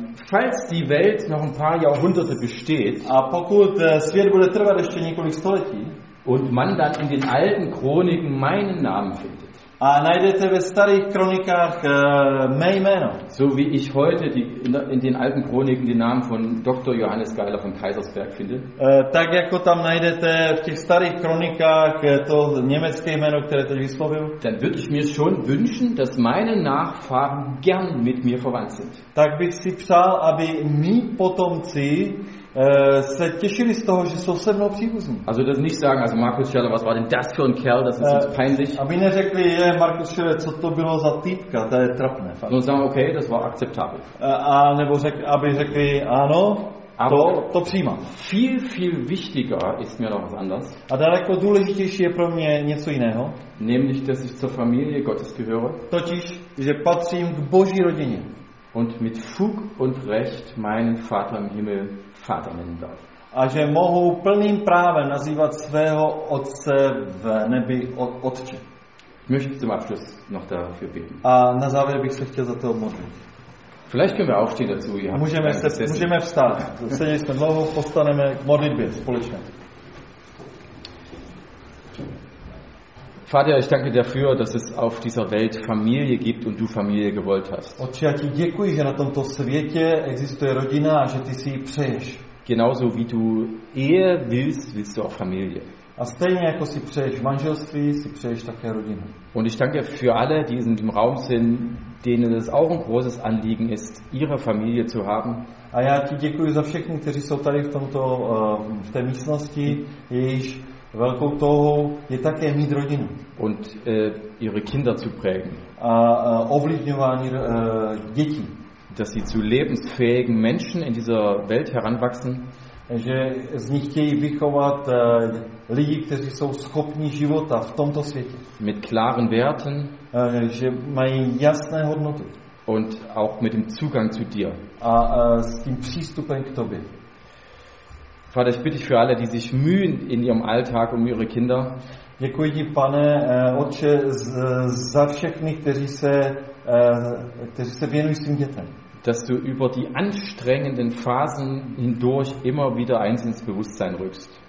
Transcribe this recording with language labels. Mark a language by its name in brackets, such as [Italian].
[German] Falls die Welt noch ein paar Jahrhunderte besteht, [Czech] a pokud svět bude trvat ještě několik století, [German] und man dann in den alten Chroniken meinen Namen findet, [Czech] a najdete ve starých kronikách mé jméno, [German] so wie ich heute in den alten Chroniken den Namen von Dr. Johannes Geiler von Kaisersberg finde, [Czech] tak jako tam najdete v těch starých kronikách to německé jméno, které teď vyslovil, [German] dann würde ich mir schon wünschen, dass meine Nachfahren gern mit mir verwandt sind. [Czech] Tak bych si přál, aby mí potomci se těšili z toho, že jsou se mnou příbuzní. [German] Also das nicht sagen, also Markus Scheller, was war denn das für ein Kerl, das ist jetzt peinlich. [Czech] Aby neřekli, je Markus Scheller, co to bylo za týpka, to je trapné. Fakt. [German] No sagen, okay, das war akzeptabel. [Czech] Aby řekli, ano, [German] aber [Czech] to přijímám. [German] Viel, viel wichtiger ist mir noch was anders. [Czech] A daleko důležitější je pro mě něco jiného. [German] Nämlich, dass ich zur Familie Gottes gehöre. [Czech] Totiž, že patřím k Boží rodině. [German] und mit Fug und Recht meinen Vater im Himmel Vater nennen darf. [Czech] A že mohu plným právem nazývat svého otce v nebi otče. [German] Ich möchte zum Abschluss noch dafür beten. [Czech] A na závěr bych se chtěl za to modlit. [German] Vielleicht können wir aufstehen dazu. [Czech] Můžeme vstát. Seděli jsme dlouho, postaneme k modlitbě společně. [German] Vater, ich danke dafür, dass es auf dieser Welt Familie gibt und du Familie gewollt hast. [Czech] Otče, já ti děkuji, že na tomto světě existuje rodina a že ty si ji přeješ. [German] Genauso wie du Ehe willst, willst du auch Familie. [Czech] A stejně jako si přeješ manželství, si přeješ také rodinu. [German] Und ich danke für alle, die in dem Raum sind, denen es auch ein großes Anliegen ist, ihre Familie zu haben. [Czech] A já ti děkuji za všechny, kteří jsou tady v tomto, v té místnosti, jejíž velkou touhou je také mít rodinu. [German] Und ihre Kinder zu prägen. [Czech] A ovlivňování dětí. [German] Dass sie zu lebensfähigen Menschen in dieser Welt heranwachsen. [Czech] Že z nich chtějí vychovat lidi, kteří jsou schopni života v tomto světě. [German] Mit klaren Werten. [Czech] Že mají jasné hodnoty. [German] Und auch mit dem Zugang zu dir. [Czech] A s tím přístupem k tobě. [German] Vater, ich bitte dich für alle, die sich mühen in ihrem Alltag um ihre Kinder. [Czech] Děkuji ti, pane otče, za všechny, kteří se věnují svým dětem. [German] Dass du über die anstrengenden Phasen hindurch immer wieder eins ins Bewusstsein rückst.